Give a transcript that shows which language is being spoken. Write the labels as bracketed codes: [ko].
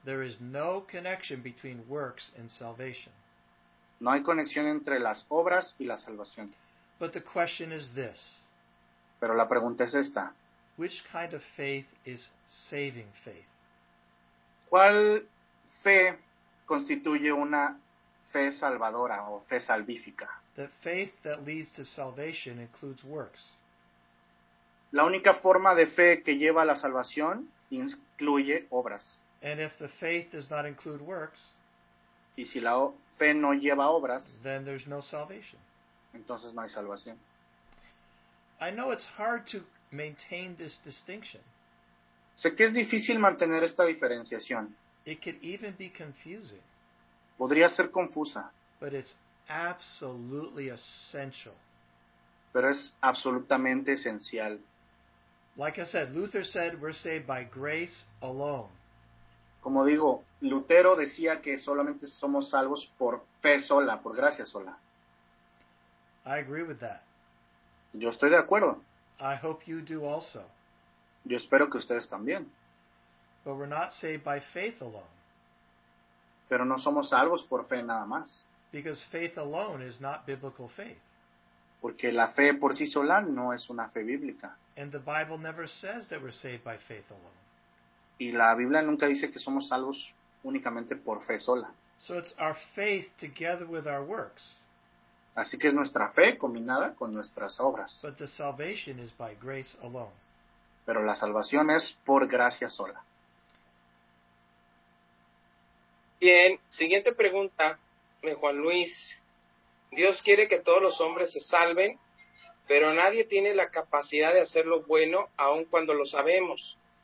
[en] There is no connection between works and salvation. [es] No hay conexión entre las obras y la salvación. [en] But the question is this. [es] Pero la pregunta es esta. [en] Which kind of faith is saving faith? [es] ¿Cuál fe constituye una fe salvadora o fe salvífica? [en] The faith that leads to salvation includes works. [es] La única forma de fe que lleva a la salvación incluye obras. [en] And if the faith does not include works, [es] y si la fe no lleva obras, [en] then there's no salvation. [es] Entonces no hay salvación. [en] I know it's hard to maintain this distinction. [es] Sé que es difícil mantener esta diferenciación. [en] It could even be confusing. [es] Podría ser confusa. [en] But it's absolutely essential. [es] Pero es absolutamente esencial. [en] Like I said, Luther said we're saved by grace alone. [es] Como digo, Lutero decía que solamente somos salvos por fe sola, por gracia sola. [en] I agree with that. [es] Yo estoy de acuerdo. [en] I hope you do also. [es] Yo espero que ustedes también. [en] But we're not saved by faith alone. [es] Pero no somos salvos por fe nada más. [en] Because faith alone is not biblical faith. [es] Porque la fe por sí sola no es una fe bíblica. [en] And the Bible never says that we're saved by faith alone. [es] Y la Biblia nunca dice que somos salvos únicamente por fe sola. [en] So it's our faith together with our works. [es] Así que es nuestra fe combinada con nuestras obras. [en] But the salvation is by grace alone. [es] Pero la salvación es por gracia sola. Bien, siguiente pregunta de Juan Luis. Dios quiere que todos los hombres se salven, pero nadie tiene la capacidad de hacer lo bueno aun cuando lo sabemos.